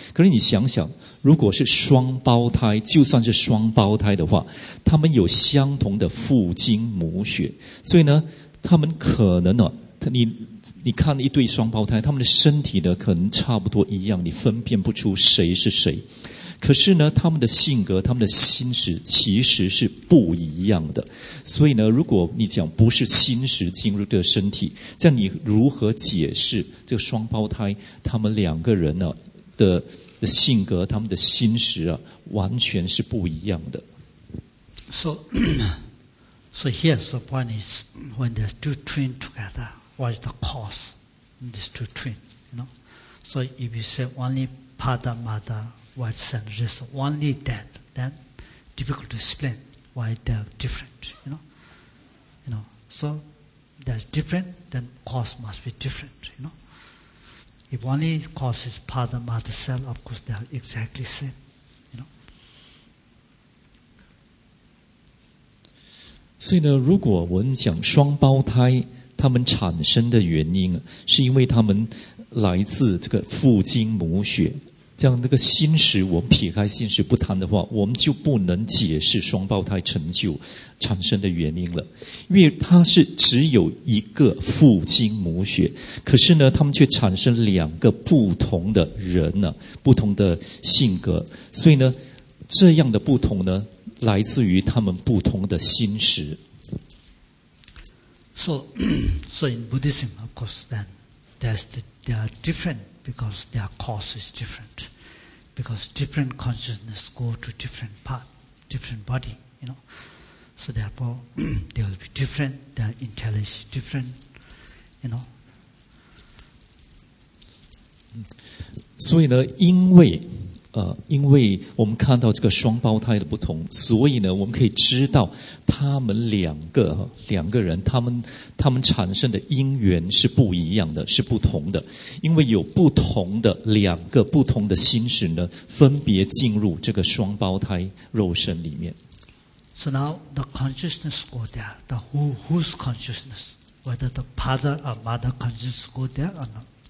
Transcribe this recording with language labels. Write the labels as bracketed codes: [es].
[zh] 可是你想想，如果是双胞胎，就算是双胞胎的话，他们有相同的父精母血，所以呢，他们可能呢，你看一对双胞胎，他们的身体呢可能差不多一样，你分辨不出谁是谁，可是呢他们的性格，他们的心识其实是不一样的。所以呢，如果你讲不是心识进入这个身体，这样你如何解释这个双胞胎他们两个人呢的性格，他们的心识啊完全是不一样的。 [en] So here's the point is when they're still twin together,What is the cause in these two twins? You know? So if you say only father, mother, white son, just only that, then difficult to explain why they are different. You know? So that's different, then cause must be different. You know? If only cause is father, mother, son, of course they are exactly the same. You know? [zh] 所以呢，如果我们讲双胞胎他们产生的原因是因为他们来自这个父精母血，这样那个心识，我们撇开心识不谈的话，我们就不能解释双胞胎成就产生的原因了，因为他是只有一个父精母血，可是呢他们却产生两个不同的人呢，不同的性格，所以呢这样的不同呢来自于他们不同的心识。 [en] So in Buddhism, of course, then they are different because their cause is different. Because different consciousness go to different part, different body, you know. So therefore, they will be different, their intelligence is different, you know. [zh] 所以呢，因为我们看到这个双胞胎的不同，所以呢，我们可以知道他们两个人，他们产生的因缘是不一样的，是不同的。因为有不同的两个不同的心识呢，分别进入这个双胞胎肉身里面。 [en] So now the consciousness go there. The whose consciousness? Whether the father or mother consciousness go there or not?